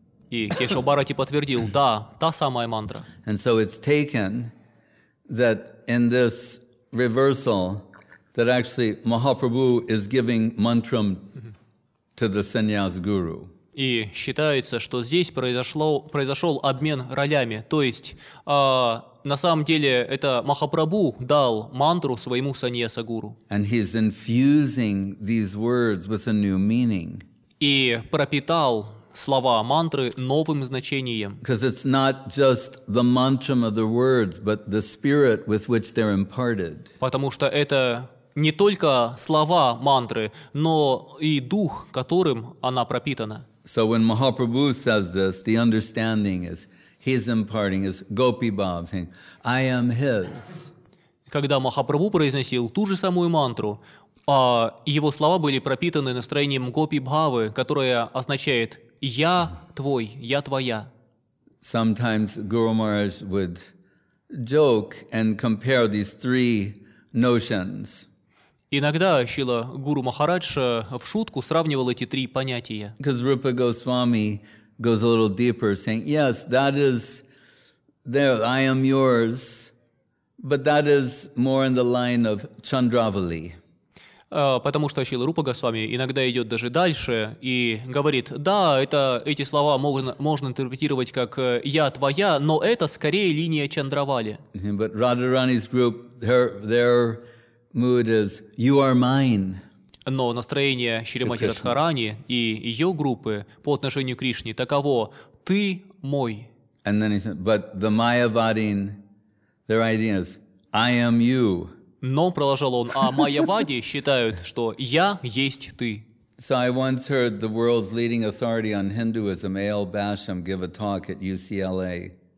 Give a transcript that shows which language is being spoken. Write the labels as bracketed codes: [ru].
[ru] И Кешава Бхарати подтвердил, «Да, та самая мантра». [en] And so it's taken that in this reversal, that actually Mahaprabhu is giving mantram to the sannyas guru. [ru] И считается, что здесь произошел обмен ролями. То есть, на самом деле, это Махапрабху дал мантру своему саньяса-гуру. [en] And he's infusing these words with a new meaning. [ru] И пропитал слова мантры новым значением. [en] Because it's not just the mantra of the words, but the spirit with which they're imparted. [ru] Потому что это не только слова мантры, но и дух, которым она пропитана. [en] So when Mahaprabhu says this, the understanding is he's imparting his Gopi Bhav saying, "I am his." [ru] Когда Махапрабху произносил ту же самую мантру, его слова были пропитаны настроением Гопи Бхавы, которое означает "Я твой, я твоя." [en] Sometimes Guru Maharaj would joke and compare these three notions. [ru] Иногда Шрила Гуру Махарадж в шутку сравнивал эти три понятия. [en] Because Rupa Goswami goes a little deeper, saying, "Yes, that is there. I am yours, but that is more in the line of Chandravali." [ru] Потому что Шрила Рупа Госвами иногда идет даже дальше и говорит: "Да, это эти слова можно интерпретировать как я твоя, но это скорее линия Чандравали." [en] But Radharani's group, their mood is you are mine. [ru] Но настроение Шримати Радхарани и ее группы по отношению к Кришне таково: ты мой. [en] And then he said, but the Mayavadin, their idea is I am you. [ru] Но продолжал он, а майявади считают, что я есть ты. [en] So I once heard the world's leading authority on Hinduism, A.L. Basham, give a talk at UCLA.